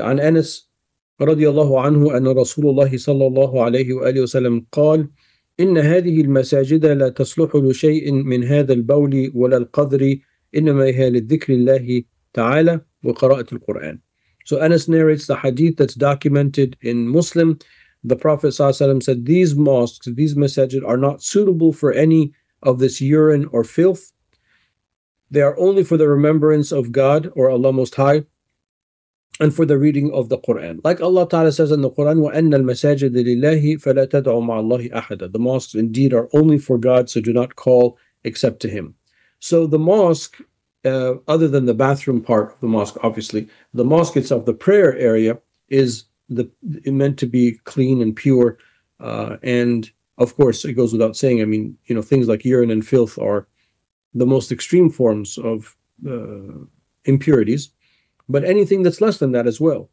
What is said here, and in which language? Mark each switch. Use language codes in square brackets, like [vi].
[ar] عن أنس رضي الله عنه أن رسول الله صلى الله عليه وآله وسلم قال إن هذه المساجد لا تصلح لشيء من هذا البول ولا القذر إنما هي للذكر الله تعالى وقراءة القرآن. [en] So Anas narrates the hadith that's documented in Muslim. The Prophet [ar] صلى الله عليه وسلم [en] said, these mosques, these masajid are not suitable for any of this urine or filth. They are only for the remembrance of God or Allah Most High and for the reading of the Quran. Like Allah Ta'ala says in the Quran, [ar] وَأَنَّ الْمَسَاجِدِ لِلَّهِ فَلَا تَدْعُوا مَعَ اللَّهِ أَحَدًا. [en] The mosques indeed are only for God, so do not call except to Him. So the mosque, other than the bathroom part of the mosque, obviously, the mosque itself, the prayer area, is meant to be clean and pure. And of course, it goes without saying, I mean, you know, things like urine and filth are the most extreme forms of impurities, but anything that's less than that as well.